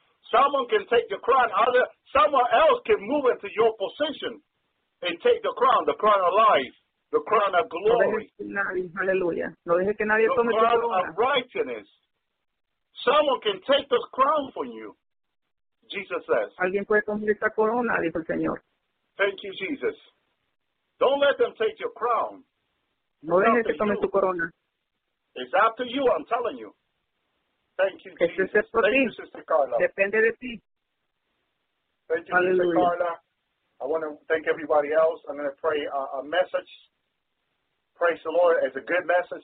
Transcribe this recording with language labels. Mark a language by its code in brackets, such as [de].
[en] Someone can take your crown. Someone else can move into your position and take the crown of life, the crown of glory. [es] Hallelujah. No deje que nadie tome [en] the crown of righteousness. Someone can take this crown from you, Jesus says. [es] Alguien puede tomar esta corona, dijo el Señor. [en] Thank you, Jesus. Don't let them take your crown. [es] No deje que tome tu corona. [en] It's up to you, I'm telling you. Thank you, Jesus. [es] Este es por [en] Thank [es] ti. [en] You, Sister Carla. [es] Depende de ti. [en] Thank you, Hallelujah. Sister Carla. I want to thank everybody else. I'm going to pray a message. Praise the Lord. It's a good message.